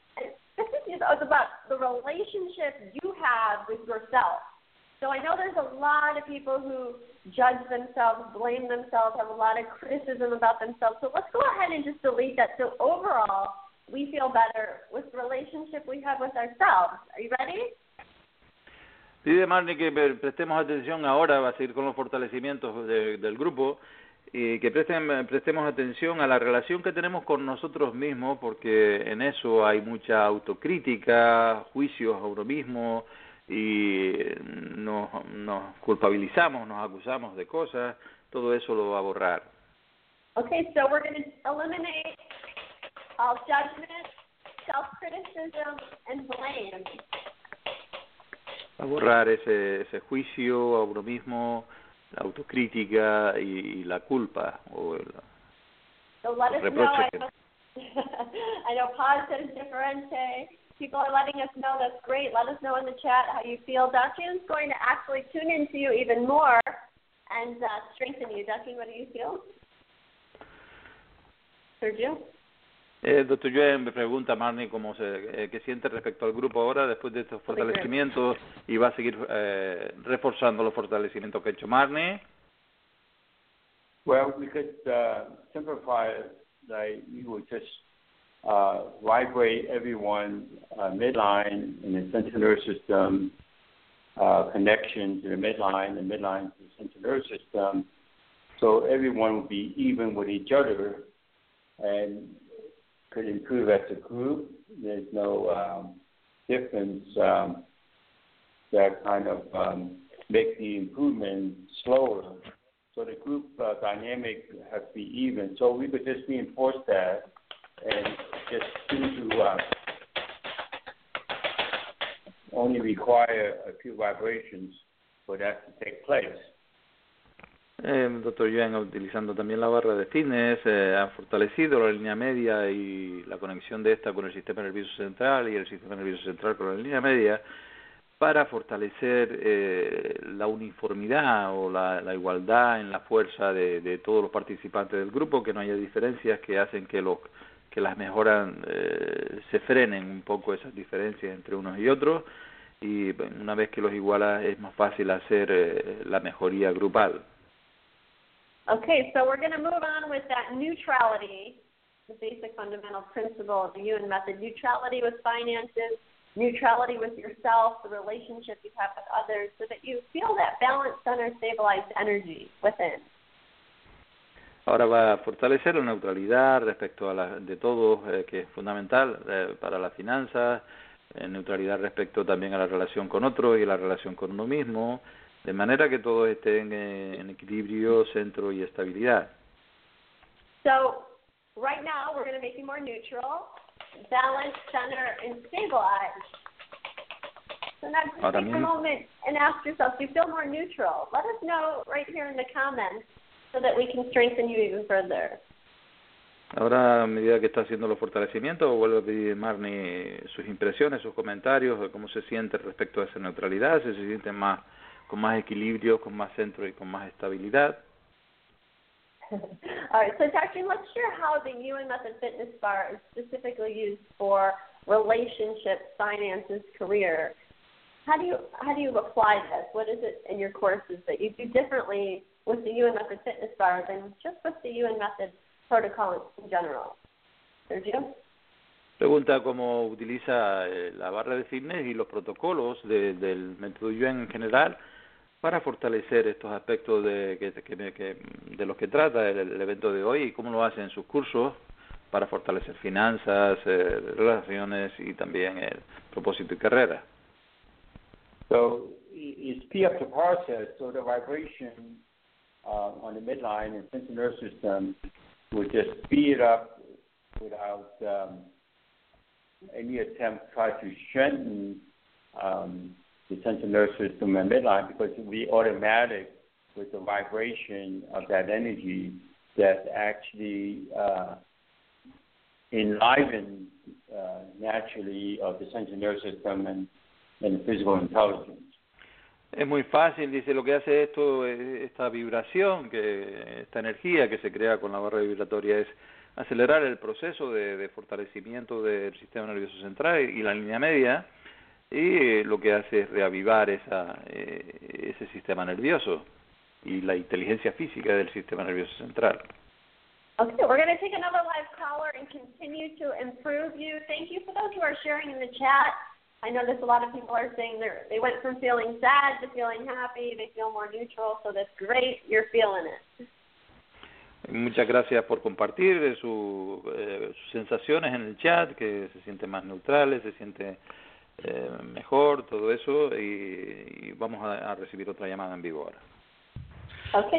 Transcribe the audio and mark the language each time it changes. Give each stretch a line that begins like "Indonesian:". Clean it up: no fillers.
English: This is about the relationship you have with yourself. So I know there's a lot of people who judge themselves, blame themselves, have a lot of criticism about themselves. So let's go ahead and just delete that. So overall, we feel better with the relationship we have with ourselves. Are you ready?
Spanish: Pide Marnie que prestemos atención ahora, va a seguir con los fortalecimientos del grupo, y que prestemos atención a la relación que tenemos con nosotros mismos, porque en eso hay mucha autocrítica, juicios a uno mismo, y nos culpabilizamos, nos acusamos de cosas. Todo eso lo va a borrar.
English: Okay, so we're going to eliminate all judgment, self-criticism, and blame.
Spanish: A borrar ese juicio a uno mismo, la autocrítica y la culpa.
English: I know positive,
Spanish: diferente.
English: People are letting us know. That's great. Let us know in the chat how you feel. Ducking's going to actually tune into you even more and strengthen you. Ducking, what do you feel? Sergio?
Spanish: Doctor Yuen me pregunta, Marnie, cómo se qué siente respecto al grupo ahora después de estos fortalecimientos, y va a seguir reforzando los fortalecimientos que ha hecho Marnie.
English: Well, we could simplify it that you would just vibrate everyone midline in the central nervous system, connection to the midline, the midline to the central nervous system, so everyone would be even with each other and could improve as a group. There's no difference that kind of make the improvement slower. So the group dynamic has to be even. So we could just reinforce that and just seem to only require a few vibrations for that to take place.
Spanish: Doctor Yuen, utilizando también la barra de fitness, ha fortalecido la línea media y la conexión de esta con el sistema nervioso central y el sistema nervioso central con la línea media para fortalecer la uniformidad o la igualdad en la fuerza de todos los participantes del grupo, que no haya diferencias que hacen que las mejoras se frenen un poco esas diferencias entre unos y otros, y una vez que los iguala es más fácil hacer la mejoría grupal.
English: Okay, so we're going to move on with that neutrality, the basic fundamental principle of the UN method, neutrality with finances, neutrality with yourself, the relationship you have with others, so that you feel that balanced, center, stabilized energy within.
Spanish: ahora va a fortalecer la neutralidad respecto a la de todo, que es fundamental para las finanzas, neutralidad respecto también a la relación con otros y la relación con uno mismo, de manera que todos estén en equilibrio, centro y estabilidad.
English: So, right now we're going to make you more neutral, balance, center, and stabilize. So now just
Spanish: ahora
English: take
Spanish: mismo.
English: A moment and ask yourself, do you feel more neutral? Let us know right here in the comments so that we can strengthen you even further.
Spanish: Ahora, a medida que está haciendo los fortalecimientos, vuelvo a pedir Marnie sus impresiones, sus comentarios, de cómo se siente respecto a esa neutralidad, si se siente más con más equilibrio, con más centro y con más estabilidad.
English: All right, so Tashin, let's share how the UN Method Fitness Bar is specifically used for relationships, finances, career. How do you apply this? What is it in your courses that you do differently with the UN Method Fitness Bar than just with the UN Method Protocol in general? Sergio?
Spanish: Pregunta cómo utiliza la barra de fitness y los protocolos del método UN en general para fortalecer estos aspectos de los que trata el evento de hoy y cómo lo hace en sus cursos para fortalecer finanzas, relaciones y también el propósito y carrera.
English: So, it's P up to process, so the vibration on the midline and central nervous system would just speed up without any attempt to try to strengthen the central nervous system and midline, because it would be automatic with the vibration of that energy that actually enlivens naturally of the central nervous system and the physical intelligence.
Spanish: Es muy fácil, dice, lo que hace esto, esta vibración, que esta energía que se crea con la barra vibratoria es acelerar el proceso de fortalecimiento del sistema nervioso central y la línea media, y lo que hace es reavivar ese sistema nervioso y la inteligencia física del sistema nervioso central.
English: Okay, we're going to take another live caller and continue to improve you. Thank you for those who are sharing in the chat. I know there's a lot of people are saying they went from feeling sad to feeling happy. They feel more neutral, so that's great. You're feeling it.
Spanish: Muchas gracias por compartir sus sensaciones en el chat, que se siente más neutral, se siente mejor, todo eso, y vamos a recibir otra llamada en vivo ahora.
English: Okay.